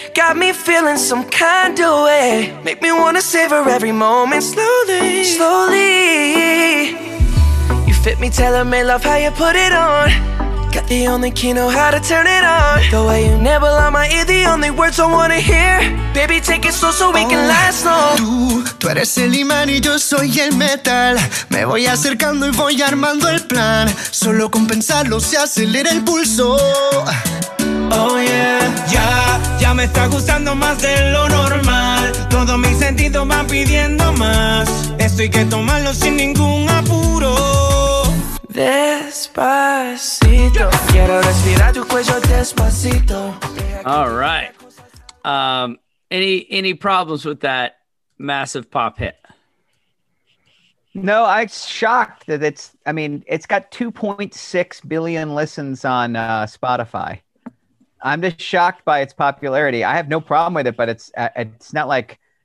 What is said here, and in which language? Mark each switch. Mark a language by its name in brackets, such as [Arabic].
[English] Got me feeling some kind of way. Make me wanna savor every moment slowly. You fit me, tailor-made, love how you put it on. Got the only key, know how to turn it on. The way you nibble on my ear, the only words I wanna hear. Baby, take it slow so we can last long. [Spanish] Tú eres el imán y yo soy el metal. Me voy acercando y voy armando el plan. Solo con pensarlo se acelera el pulso. [English] Oh yeah. [Spanish] Ya me está gustando más de lo normal. Todo mi sentido va pidiendo más. Esto hay que tomarlo sin ningún apuro. Despacito. Quiero respirar tu cuello despacito. [English] All right. Any problems with that massive pop hit? No, I'm shocked that it's got 2.6 billion listens on Spotify. I'm just shocked by its popularity. I have no problem with it, but it's not gigantic.